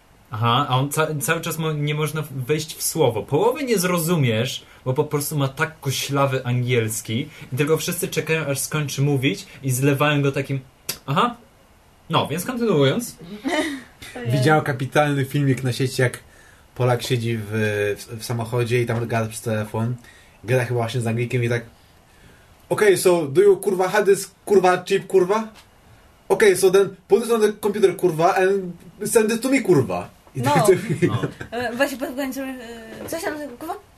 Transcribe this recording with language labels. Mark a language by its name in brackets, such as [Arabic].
[Polish] Aha, a on cały czas nie można wejść w słowo. Połowy nie zrozumiesz, bo po prostu ma tak koślawy angielski i tylko wszyscy czekają, aż skończy mówić i zlewają go takim... Aha, no, więc kontynuując... Widział kapitalny filmik na sieci, jak Polak siedzi w samochodzie i tam gada przez telefon. Gada chyba właśnie z Anglikiem i tak... [English] Okay, so do you, kurwa, have this, kurwa, chip, kurwa? Okay, so then put it on the computer, kurwa, and send it to me, kurwa. I no. [Polish] Tak, właśnie pod koniec, coś tam, kurwa?